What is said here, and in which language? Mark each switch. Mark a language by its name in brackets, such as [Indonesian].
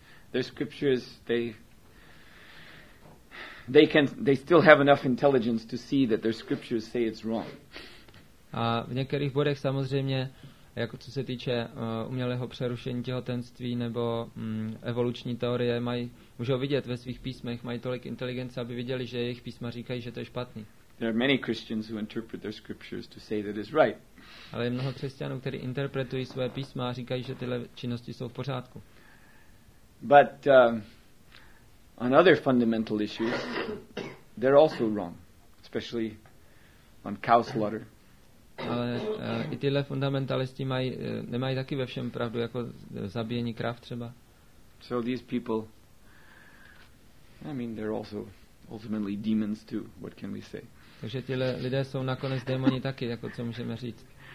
[English] Their scriptures they still have enough intelligence to see that their scriptures say it's wrong. [Czech] A v některých bodech samozřejmě jako co se týče umělého přerušení těhotenství nebo evoluční teorie mají už vidět ve svých písmech, mají tolik inteligence, aby viděli, že jejich písma říkají, že to je špatný. [English] There are many Christians who interpret their scriptures to say that it's right. [Czech] Ale je mnoho křesťanů, kteří interpretují své písma a říkají, že tyhle činnosti jsou v pořádku. [English] But on other fundamental issues, they're also wrong, especially on cow slaughter. [Czech] Ale i tyhle fundamentalisti mají nemají taky ve všem pravdu, jako zabíjení krav třeba. [English] So these people, I mean, they're also ultimately demons too. What can we say? [Czech] Takže tyhle lidé jsou nakonec démoni taky, jako co můžeme říct.